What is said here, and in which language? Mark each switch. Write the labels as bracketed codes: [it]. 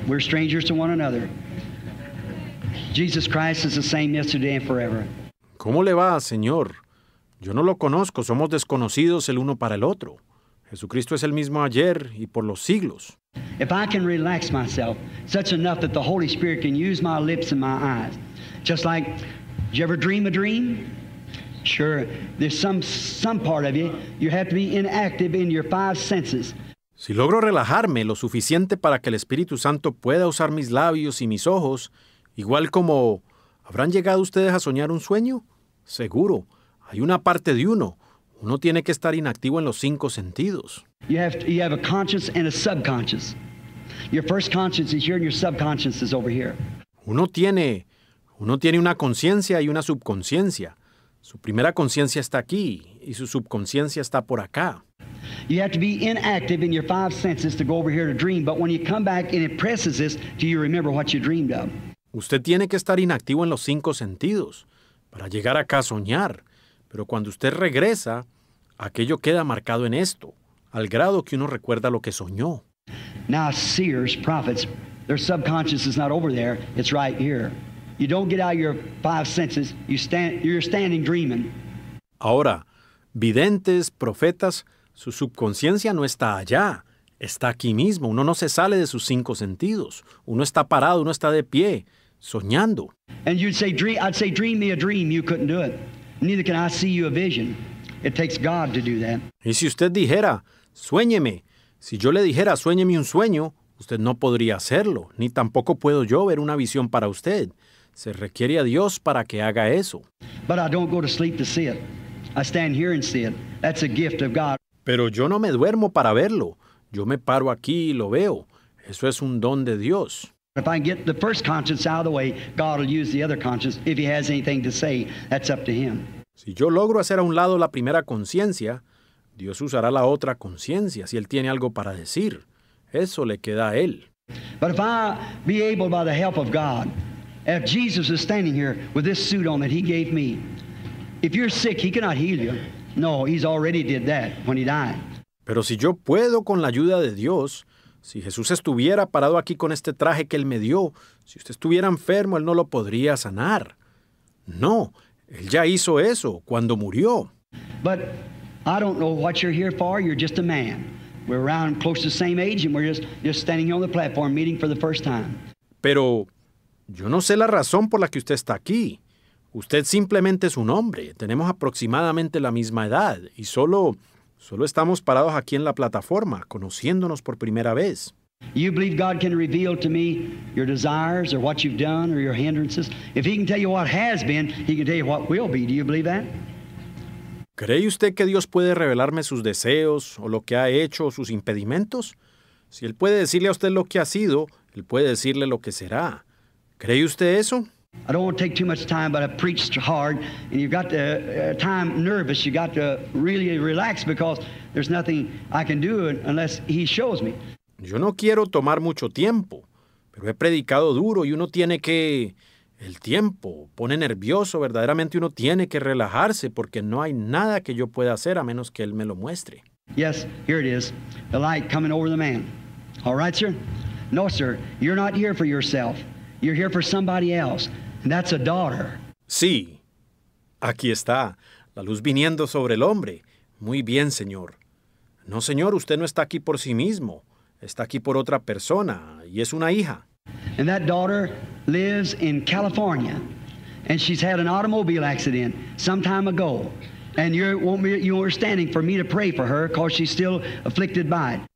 [en] We're strangers to one another. Jesus Christ is the same yesterday and forever. [es] ¿Cómo le va, Señor? Yo no lo conozco. Somos desconocidos el uno para el otro. Jesucristo es el mismo ayer y por los siglos. [en] If I can relax myself such enough that the Holy Spirit can use my lips and my eyes, just like, did you ever dream a dream? Sure, there's some part of you, you have to be inactive in your five senses. [es] Si logro relajarme lo suficiente para que el Espíritu Santo pueda usar mis labios y mis ojos, igual como, ¿habrán llegado ustedes a soñar un sueño? Seguro, hay una parte de uno. Uno tiene que estar inactivo en los cinco sentidos. [en] You have a conscious and a subconscious. Your first conscious is here and your subconscious is over here. [es] Uno tiene una conciencia y una subconsciencia. Su primera conciencia está aquí y su subconsciencia está por acá. [en] You have to be inactive in your five senses to go over here to dream, but when you come back and impresses this, do you remember what you dreamed of? [es] Usted tiene que estar inactivo en los cinco sentidos para llegar acá a soñar. Pero cuando usted regresa, aquello queda marcado en esto, al grado que uno recuerda lo que soñó. [en] Now, seers, prophets, their subconscious is not over there, it's right here. You don't get out of your five senses, you're standing dreaming. [es] Ahora, videntes, profetas, su subconsciencia no está allá, está aquí mismo. Uno no se sale de sus cinco sentidos. Uno está parado, uno está de pie, soñando. [en] And you'd say, dream me a dream, you couldn't do it. Neither can I see you a vision. It takes God to do that. [es] Y si usted dijera, sueñeme, si yo le dijera, sueñeme un sueño, usted no podría hacerlo, ni tampoco puedo yo ver una visión para usted. Se requiere a Dios para que haga eso. [en] But I don't go to sleep to see it. I stand here and see it. That's a gift of God. [es] Pero yo no me duermo para verlo. Yo me paro aquí y lo veo. Eso es un don de Dios. [en] If I get the first conscience out of the way, God will use the other conscience. If he has anything to say, that's up to him. [es] Si yo logro hacer a un lado la primera conciencia, Dios usará la otra conciencia. Si él tiene algo para decir, eso le queda a él. [en] But if I be able by the help of God, if Jesus is standing here with this suit on that he gave me, if you're sick, he cannot heal you. No, he's already did that when he died. [es] Pero si yo puedo con la ayuda de Dios, si Jesús estuviera parado aquí con este traje que Él me dio, si usted estuviera enfermo, Él no lo podría sanar. No, Él ya hizo eso cuando murió. [en] But I don't know what you're here for. You're just a man. We're around close to the same age and we're just standing here on the platform meeting for the first time. [es] Pero yo no sé la razón por la que usted está aquí. Usted simplemente es un hombre. Tenemos aproximadamente la misma edad y solo estamos parados aquí en la plataforma, conociéndonos por primera vez. [en] You believe God can reveal to me your desires or what you've done or your hindrances? If he can tell you what has been, he can tell you what will be. Do you believe that? [es] ¿Cree usted que Dios puede revelarme sus deseos o lo que ha hecho o sus impedimentos? Si él puede decirle a usted lo que ha sido, él puede decirle lo que será. ¿Cree usted eso? [en] I don't want to take too much time, but I preached hard, and you've got the time nervous. You got to really relax because there's nothing I can do unless he shows me. [es] Yo no quiero tomar mucho tiempo, pero he predicado duro y uno tiene que El tiempo pone nervioso. Verdaderamente uno tiene que relajarse porque no hay nada que yo pueda hacer a menos que él me lo muestre. [en] Yes, here it is. The light coming over the man. All right, sir? No, sir. You're not here for yourself. You're here for somebody else. And that's a daughter. [es] Sí. Aquí está. La luz viniendo sobre el hombre. Muy bien, señor. No, señor, usted no está aquí por sí mismo. Está aquí por otra persona. Y es una hija. [en] And that daughter lives in California. And she's had an automobile accident some time ago. And you're standing for me to pray for her because she's still afflicted by it.